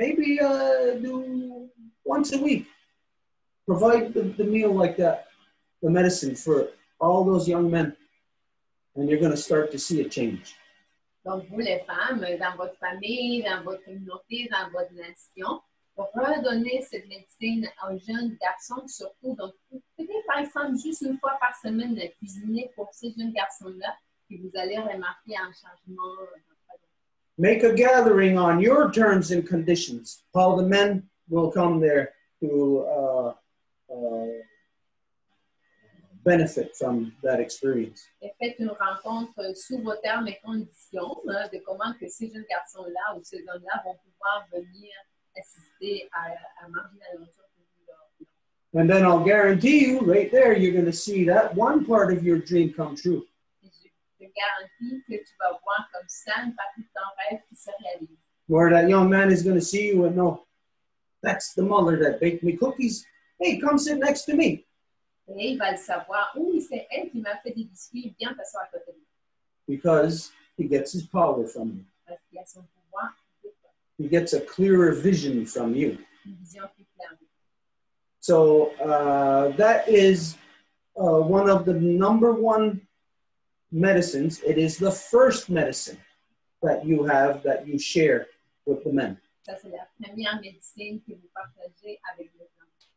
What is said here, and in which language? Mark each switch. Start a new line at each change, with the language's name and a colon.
English: Maybe do once a week, provide the meal like that, the medicine for all those young men, and you're going to start to see a change.
French: Donc, vous, les femmes, dans votre famille, dans votre communauté, dans votre nation, redonnez cette médecine aux jeunes garçons, surtout. Donc, vous pouvez, par exemple, juste une fois par semaine, cuisiner pour ces jeunes garçons-là, et vous allez remarquer un changement.
English: Make a gathering on your terms and conditions. All the men will come there to benefit from that experience.
French: Et faites une rencontre sous vos termes et conditions de comment que ces jeunes garçons-là ou ces hommes-là vont pouvoir venir assister à marginalisation.
English: And then I'll guarantee you, right there, you're going to see that one part of your dream come true.
French: Je garantis que tu vas voir comme ça une partie de ton rêve qui se réalise.
English: Where that young man is going to see you and know, that's the mother that baked me cookies. Hey, come sit next to me.
French: Et il va le savoir. Oui, c'est elle qui m'a fait des biscuits. Viens t'asseoir à côté de lui.
English: Because he gets his power from you.
French: Parce qu'il a son pouvoir.
English: He gets a clearer vision from you.
French: Une vision plus claire.
English: So, that is one of the number one medicines. It is the first medicine that you have that you share with the men.
French: Ça, c'est la première médecine que vous partagez avec les hommes.